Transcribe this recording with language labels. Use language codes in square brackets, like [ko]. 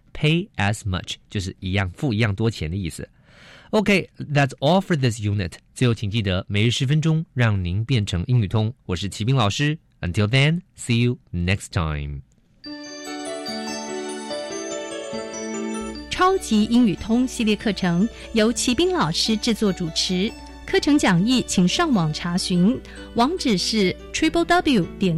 [en] Pay as much, [zh] 就是一样付一样多钱的意思。 [en] OK, that's all for this unit. [zh] 最后请记得每日十分钟让您变成英语通。我是齐斌老师。 [en] Until then, see you next time. [zh] 超级英语通系列课程由齐斌老师制作主持，课程讲义请上网查询，网址是 www.ner.gov.tw。